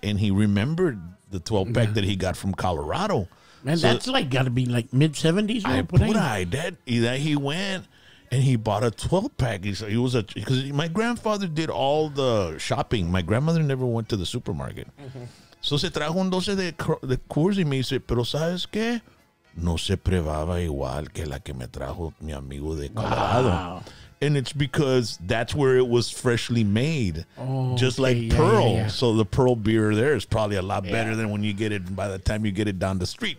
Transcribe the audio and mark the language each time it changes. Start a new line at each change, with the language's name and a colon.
English: And he remembered the 12-pack that he got from Colorado. Man, so that's like gotta be like mid-70s.
Spanish: Y de ahí
English: he went and he bought a 12-pack. He was a, because my grandfather did all the shopping. My grandmother never went to the supermarket. Mm-hmm.
Spanish: So se trajo un 12 de Coors y me dice, pero ¿sabes qué? No se probaba igual que la que me trajo mi amigo de Colorado.
English: Wow. And it's because that's where it was freshly made, Pearl. Yeah. So the Pearl beer there is probably a lot better than when you get it by the time you get it down the street.